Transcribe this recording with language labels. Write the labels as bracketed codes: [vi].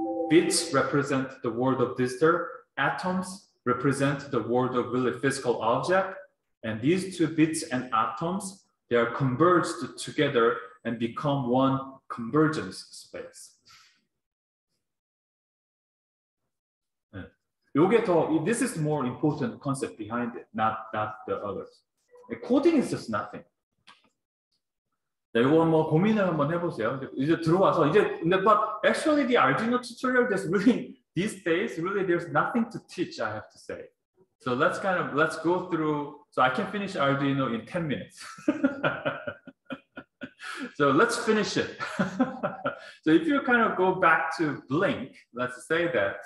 [en] Bits represent the world of digital, atoms represent the world of really physical object, and these two bits and atoms, they are converged together and become one convergence space. [ko] 이게 더, [en] this is more important concept behind it, not the others. Coding is just nothing. [ko] 이거 한번 고민을 한번 해보세요. 이제 들어와서 이제 근데 [en] but actually the Arduino tutorial just really these days really there's nothing to teach, I have to say. So let's kind of let's go through. So I can finish Arduino in 10 minutes. So let's finish it. So if you kind of go back to Blink, let's say that.